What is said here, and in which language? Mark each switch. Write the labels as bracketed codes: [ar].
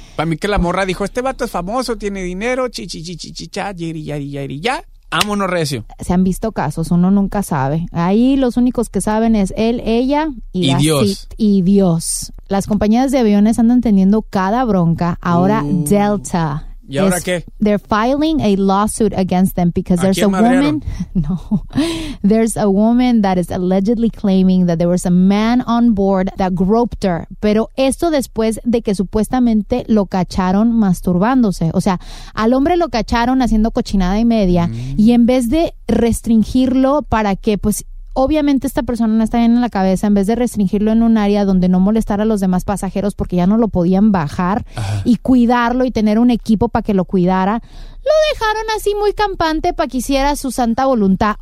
[es] Para mí que la morra dijo, este vato es famoso, tiene dinero, chichichichicha, yiri yiri yiri ya. Vámonos recio. Se han visto casos, uno nunca sabe. Ahí los únicos que saben es él, ella y Dios. Y Dios. Las compañías de aviones andan teniendo cada bronca. Ahora Delta. ¿Y ahora qué? [en] They're filing a lawsuit against them because there's a woman. No. There's a woman that is allegedly claiming that there was a man on board that groped her. [es] Pero esto después de que supuestamente lo cacharon masturbándose. O sea, al hombre lo cacharon haciendo cochinada y media. Y en vez de restringirlo para que, pues, obviamente esta persona no está bien en la cabeza, en vez de restringirlo en un área donde no molestara a los demás pasajeros porque ya no lo podían bajar y cuidarlo y tener un equipo para que lo cuidara, lo dejaron así muy campante para que hiciera su santa voluntad.